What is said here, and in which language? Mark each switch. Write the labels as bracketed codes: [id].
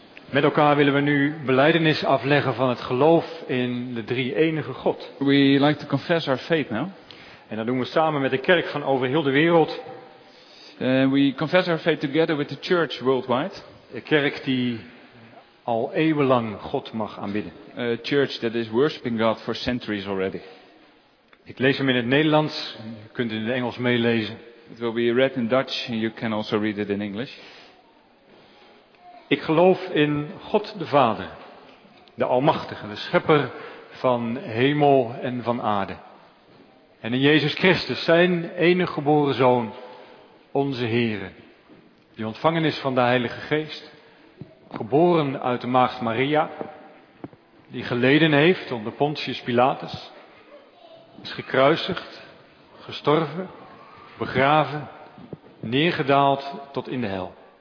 [nl] Met elkaar willen we nu belijdenis afleggen van het geloof in de drie enige God. [en] We like to confess our faith now. [nl] En dat doen we samen met de kerk van over heel de wereld. [en] We confess our faith together with the church worldwide. [nl] De kerk die al eeuwenlang God mag aanbidden. [en] A church that is worshiping God for centuries already. [nl] Ik lees hem in het Nederlands. Je kunt het in het Engels meelezen. [en] It will be read in Dutch and you can also read it in English. [nl] Ik geloof in God de Vader, de Almachtige, de Schepper van hemel en van aarde. En in Jezus Christus, zijn enige geboren Zoon, onze Heere, die ontvangen is van de Heilige Geest, geboren uit de maagd Maria, die geleden heeft onder Pontius Pilatus, is gekruisigd, gestorven, begraven, neergedaald tot in de hel.